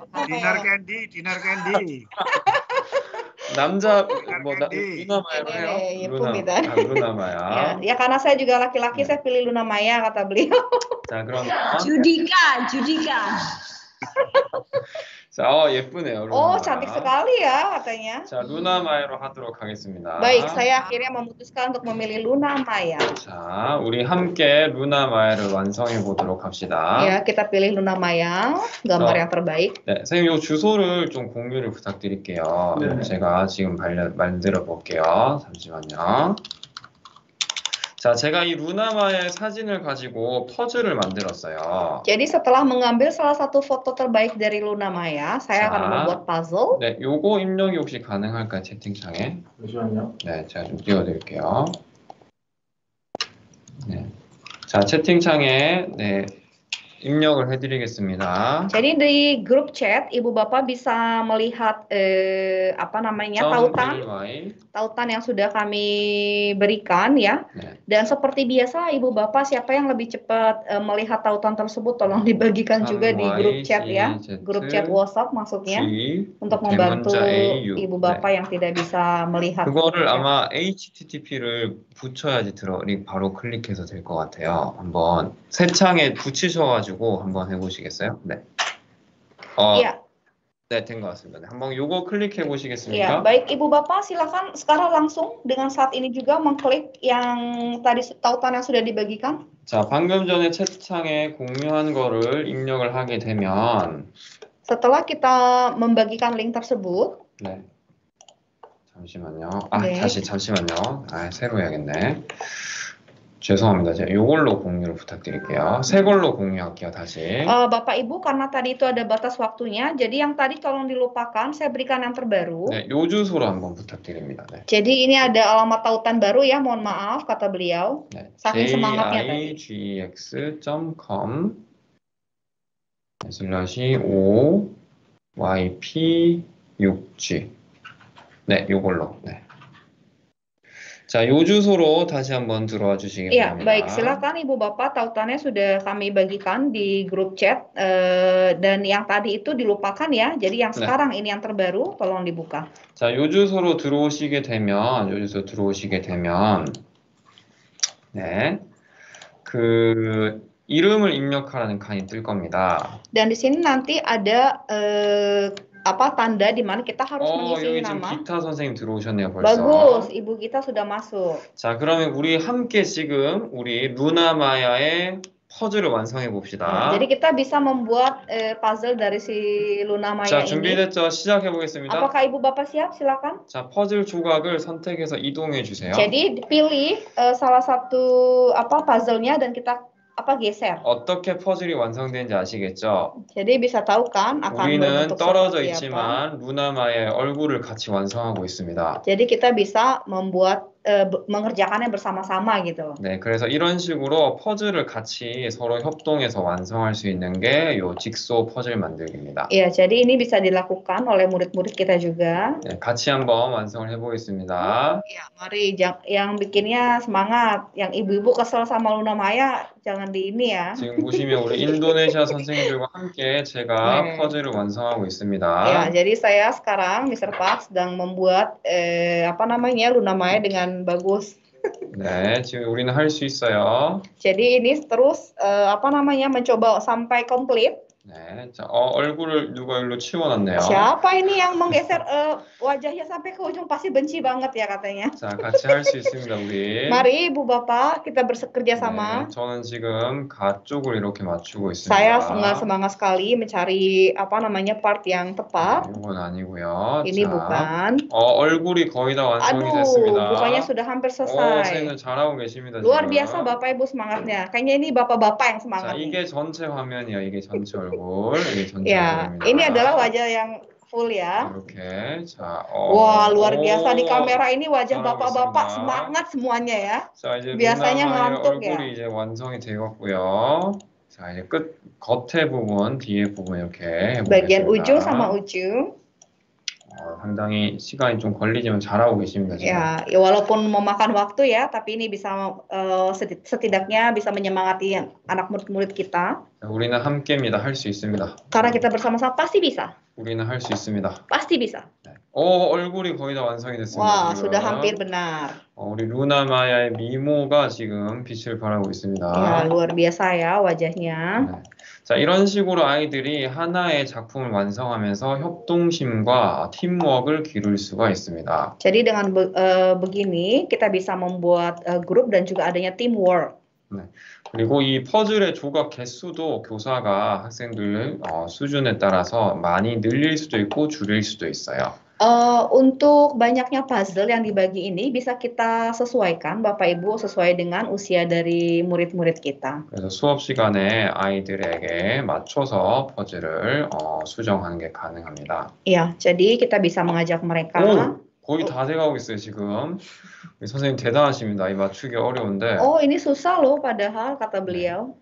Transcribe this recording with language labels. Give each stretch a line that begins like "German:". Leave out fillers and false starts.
English: Dinner candy, dinner candy.
Korean: 남자 뭐 Luna Maya예요? 예쁩니다. Luna Maya.
Indonesian: 야, karena saya juga laki-laki, saya pilih Luna Maya kata beliau.
Korean: 자, 그럼 Judika, Judika. 자, 예쁘네요.
Indonesian: 오, cantik sekali ya katanya.
Korean: 자, Luna Maya로 하도록 하겠습니다.
Indonesian: Baik, saya akhirnya memutuskan untuk memilih Luna Maya.
Korean: 자, 우리 함께 Luna Maya를 완성해 보도록 합시다.
Indonesian: 예, yeah, kita pilih Luna Maya, gambar yang terbaik.
Korean: 네, 선생님, 요 주소를 좀 공유를 부탁드릴게요. 네. 제가 지금 만들어 볼게요. 잠시만요. 자, 제가 이 루나마의 사진을 가지고 퍼즐을 만들었어요.
Indonesian: Jadi setelah mengambil salah satu foto terbaik dari Luna Maya, saya akan membuat puzzle.
Korean: 네, 요거 입력이 혹시 가능할까요? 채팅창에. 잠시만요. 네, 제가 좀 띄워드릴게요. 네. 자, 채팅창에 네, 입력을 해드리겠습니다.
Indonesian: Jadi di group chat, ibu bapak bisa melihat apa namanya tautan, tautan yang sudah kami berikan ya. 네. Dan seperti biasa, ibu bapak siapa yang lebih cepat melihat tautan tersebut, tolong dibagikan juga di group chat ya, group chat WhatsApp maksudnya, untuk membantu ibu bapak 네. yang tidak bisa melihat.
Korean: 그거를 ya. 아마 HTTP를 붙여야지 들어, 바로 클릭해서 될 것 같아요. 한번 새 창에 붙이셔가지고. 한번 해보시겠어요? 네. 네, 된 것 같습니다. 네, 한번 요거 클릭해 보시겠습니까?
English: Yeah.
Indonesian: Baik, ibu bapak silakan sekarang langsung dengan saat ini juga mengklik yang tadi tautan yang sudah dibagikan.
Korean: 자, 방금 전에 채팅창에 공유한 거를 입력을 하게 되면
Indonesian: setelah kita membagikan link tersebut.
Korean: 네. 잠시만요. 아, 네. 다시 잠시만요. 아, 새로 해야겠네. 죄송합니다. 제가 이걸로 공유를 부탁드릴게요. 새 걸로 공유할게요. 다시.
Indonesian: Bapak Ibu karena tadi itu ada batas waktunya. Jadi yang tadi tolong dilupakan. Saya berikan yang terbaru.
Korean: 네, 요 주소로 한번 부탁드립니다. 네.
Indonesian: Jadi ini ada alamat tautan baru ya. Mohon maaf kata beliau. 네. Saking semangatnya tadi.
Korean: jix.com/oyp6g. 네, 요걸로. 네. 자, 요주소로 다시 한번 들어와 주시기 바랍니다.
Indonesian: Ya, baik, silakan Ibu Bapak, tautannya sudah kami bagikan di grup chat dan yang tadi itu dilupakan ya. Jadi yang sekarang 네. ini yang terbaru tolong dibuka.
Korean: 자, 요주소로 들어오시게 되면 요주소 들어오시게 되면 네. 그 이름을 입력하라는 칸이 뜰 겁니다.
Indonesian: Dan di sini nanti ada apa tanda di mana kita harus mengisi nama.
Korean: 여기 지금 기타 선생님 들어오셨네요 벌써.
Indonesian: Bagus, Ibu Gita sudah masuk.
Korean: 자, 그러면 우리 함께 지금 우리 루나 마야의 퍼즐을 완성해 봅시다.
Indonesian: Jadi kita bisa membuat puzzle dari si Luna Maya ini.
Korean: 자, 준비됐죠? 시작해 보겠습니다.
Indonesian: Apakah Ibu Bapak siap? Silakan.
Korean: 자, 퍼즐 조각을 선택해서 이동해 주세요.
Indonesian: Jadi pilih salah satu apa puzzle-nya dan kita apa geser.
Korean: 어떻게 퍼즐이 완성되는지 아시겠죠?
Indonesian: Jadi bisa tahu kan
Korean: akan 우리는 떨어져 있지만 Luna Maya의 얼굴을 같이 완성하고 있습니다.
Indonesian: Jadi kita bisa membuat mengerjakannya bersama-sama gitu.
Korean: 네, 그래서 이런 식으로 퍼즐을 같이 서로 협동해서 완성할 수 있는 게 요 직소 퍼즐 만들기입니다.
Indonesian: 예, yeah, jadi ini bisa dilakukan oleh murid-murid kita juga.
Korean: 네, 같이 한번 완성을 해보겠습니다.
Indonesian: Yeah, mari yang bikinnya semangat, yang ibu-ibu kesel sama Luna Maya jangan di ini ya.
Korean: 지금 보시면 우리 인도네시아 선생님들과 함께 제가 yeah. 퍼즐을 완성하고 있습니다.
Indonesian: 예, yeah, jadi saya sekarang Mr. Park sedang membuat apa namanya Luna Maya dengan bagus.
Korean: 네, 지금 우리는 할 수 있어요.
Indonesian: Jadi ini terus apa namanya mencoba sampai komplit.
Korean: 네, 자, 얼굴을 누가 일로 치워놨네요.
Indonesian: Siapa ini yang menggeser wajahnya sampai ke ujung pasti benci banget ya katanya.
Korean: 자, 같이 할 수 있습니다 우리.
Indonesian: Mari Ibu Bapak kita bekerja sama.
Korean: 네, 저는 지금 가쪽을 이렇게 맞추고 있습니다.
Indonesian: Saya sangat semangat sekali mencari apa namanya part yang tepat.
Korean: 네, 이건 아니고요. 이니 뭐간. 얼굴이 거의 다 완성이 아두, 됐습니다.
Indonesian: 아두, 뭐가냐 sudah hampir selesai.
Korean: 선생님 잘하고 계십니다.
Indonesian: Luar biasa Bapak Ibu semangatnya. Kayaknya ini Bapak-bapak yang semangat.
Korean: 자, 이게 전체 화면이야. 이게 전체
Indonesian: Ya, ini adalah wajah yang full ya.
Korean: Oke, 자,
Indonesian: wah luar biasa di kamera ini wajah bapak-bapak semangat semuanya ya.
Korean: 자, 이제
Indonesian: biasanya ngantuk ya.
Korean: 얼굴이 이제 완성이 되었고요. 자 이제 끝 겉에 부분, 뒤에 부분 이렇게. 뭐겐 우주 sama 우주. 상당히 시간이 좀 걸리지만 잘하고 계십니다.
Indonesian: 야, yeah, walaupun memakan waktu ya, tapi ini bisa setidaknya bisa menyemangati anak murid-murid kita.
Korean: 우리는 함께입니다. 할 수 있습니다.
Indonesian: Karena kita bersama-sama pasti bisa.
Korean: 우리는 할 수 있습니다.
Indonesian: Pasti bisa.
Korean: 네. 오, 얼굴이 거의 다 완성이 됐습니다. 와, 지금.
Indonesian: sudah hampir benar.
Korean: 우리 루나 마야의 미모가 지금 빛을 발하고 있습니다.
Indonesian: 야, yeah, luar biasa ya wajahnya.
Korean: 네. 자, 이런 식으로 아이들이 하나의 작품을 완성하면서 협동심과 팀워크를 기를 수가 있습니다.
Indonesian: Jadi dengan begini kita bisa membuat grup dan juga adanya teamwork.
Korean: 네. 그리고 이 퍼즐의 조각 개수도 교사가 학생들 수준에 따라서 많이 늘릴 수도 있고 줄일 수도 있어요.
Indonesian: Untuk banyaknya puzzle yang dibagi ini bisa kita sesuaikan Bapak Ibu sesuai dengan usia dari murid-murid kita.
Korean: 그래서 수업 시간에 아이들에게 맞춰서 퍼즐을 수정하는 게 가능합니다.
Indonesian: Iya, yeah, jadi kita bisa mengajak mereka.
Korean: 오, 거의 다 돼가고 있어요 지금. 선생님 대단하십니다. 이 맞추기 어려운데.
Indonesian: Oh, ini susah loh padahal kata beliau.